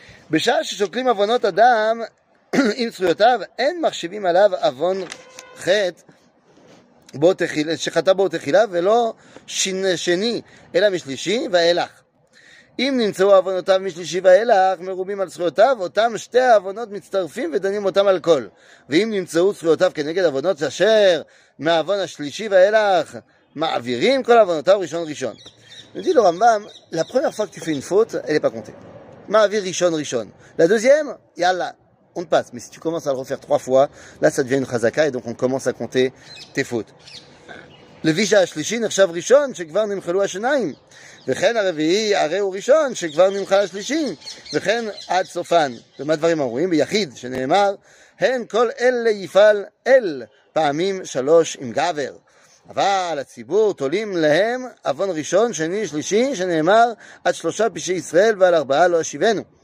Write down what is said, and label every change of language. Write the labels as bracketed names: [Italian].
[Hebrew] בשעה ששוקלים עוונות אדם עם זכויותיו, אין מחשבים עליו עוון חטא שחטא בו תחילה, ולא שני, אלא משלישי ואילך. אם נמצאו עוונותיו משלישי ואילך, מרובים על זכויותיו, אותם שתי העוונות מצטרפים ודנים אותם על כל. ואם נמצאו זכויותיו כנגד עוונות אשר מהעוון השלישי ואילך, מעבירים כל עוונותיו ראשון ראשון. נגיד לו רמב״ם, [French] la première fois que tu fais une faute, elle est pas comptée. [Hebrew] מעביר ראשון ראשון. [French] La deuxième, יאללה, on te passe. Mais si tu commences à le refaire trois fois, là ça devient une chazaka et donc on commence à compter tes fautes. [Hebrew] לביש השלישי נחשב ראשון שכבר נמחלו השניים וכן הרביעי הרי הוא ראשון שכבר נמחל השלישי וכן עד סופן ומה דברים אמורים ביחיד שנאמר הן כל אלה יפעל אל פעמים שלוש עם גבר אבל הציבור תולים להם אבון ראשון שני שלישי שנאמר עד שלושה פשעי ישראל ועל ארבעה לא השיבנו